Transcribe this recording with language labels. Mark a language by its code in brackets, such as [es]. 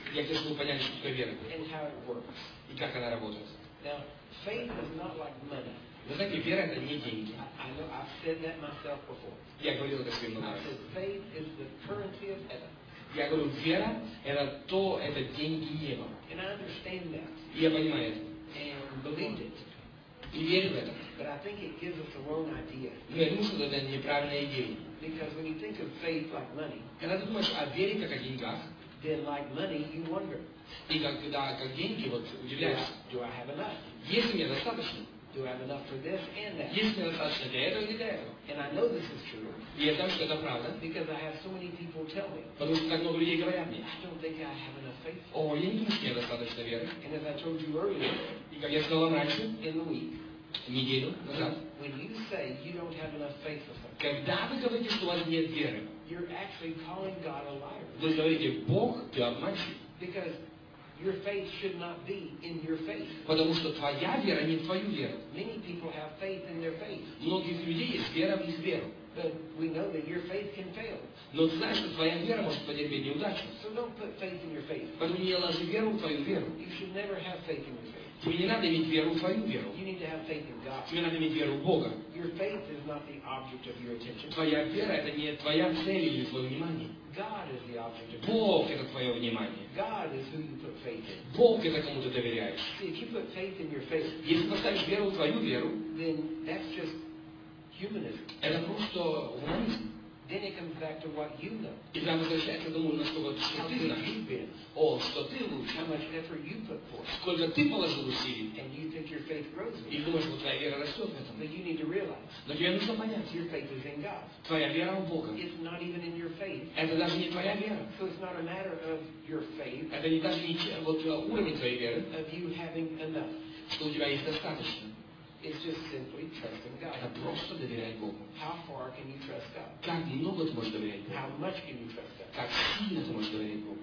[ru] Я хочу, чтобы вы поняли, что такое вера. [en] And how it works. [ru] И как она работает. [en] Now, faith is not like money. [ru] Вы знаете, вера это не деньги. [en] I know, I've said that myself before. [ru] Я говорил это своим мнением. [en] I said, faith is the currency of heaven. [ru] Я говорю, вера это то, это деньги неба. [en] And I understand that. [ru] И я понимаю это. [en] And believed it. [ru] И верю в это. [en] But I think it gives us the wrong idea. [ru] Но я думаю, что это неправильная идея. [en] Because when you think of faith like money, [ru] когда ты думаешь о вере как о деньгах, [en] then like money, you wonder. [ru] И когда как деньги, вот удивляешься. [en] Do I have enough? [ru] Есть ли мне достаточно? [en] Do I have enough for this and that? [ru] Есть ли мне достаточно для этого и для этого? [en] And I know this is true. [ru] И я знаю, что это правда. [en] Because I have so many people tell me. [ru] Потому что так много людей говорят мне. [en] I don't think I have enough faith. [ru] О, я не думаю, что мне достаточно веры. [en] And as I told you earlier. [ru] И как я сказал вам раньше. [en] In the week. [ru] Неделю назад. [en] When you say you don't have enough faith for something. [ru] Когда вы говорите, что у вас нет веры. [en] You're actually calling God a liar. [ru] Вы говорите, Бог, ты обманщик. [en] Because your faith should not be in your faith. [ru] Потому что твоя вера не в твою веру. [en] Many people have faith in their faith. [ru] Многих людей есть вера в их веру. [en] But we know that your faith can fail. [ru] Но ты знаешь, что твоя вера может потерпеть неудачу. [en] So don't put faith in your faith. [ru] Поэтому не ложи веру в твою веру. [en] You should never have faith in your faith. [ru] Тебе не надо иметь веру в твою веру. [en] You need to have faith in God. [ru] Тебе надо иметь веру в Бога. [en] Your faith is not the object of your attention. [ru] Твоя вера это не твоя цель или твое внимание. [en] God is the object of your attention. [ru] Бог это твое внимание. [en] God is who you put faith in. [ru] Бог это кому ты доверяешь. [en] See, if you put faith in your faith, [ru] если поставишь веру в твою веру, [en] then that's just humanism. [ru] Это просто гуманизм. [en] Then it comes back to what you know. [ru] И там возвращается к тому, насколько ты знаешь. О, что ты лучше. [en] How much effort you put forth. [ru] Сколько ты положил усилий. [en] And you think your faith grows with it. [ru] И думаешь, что твоя вера растет в этом. [en] But you need to realize. [ru] Но тебе нужно понять. [en] Your faith is in God. [ru] Твоя вера в Бога. [en] It's not even in your faith. [ru] Это даже не твоя вера. [en] So it's not a matter of your faith. [ru] Это не даже не вот уровень твоей веры. [en] Of you having enough. [ru] Что у тебя есть достаточно. [en] It's just simply trusting God. [ru] Это просто доверять Богу. [en] How far can you trust God? [ru] Как много ты можешь доверять Богу? [en] How much can you trust God? [ru] Как сильно ты можешь доверять Богу?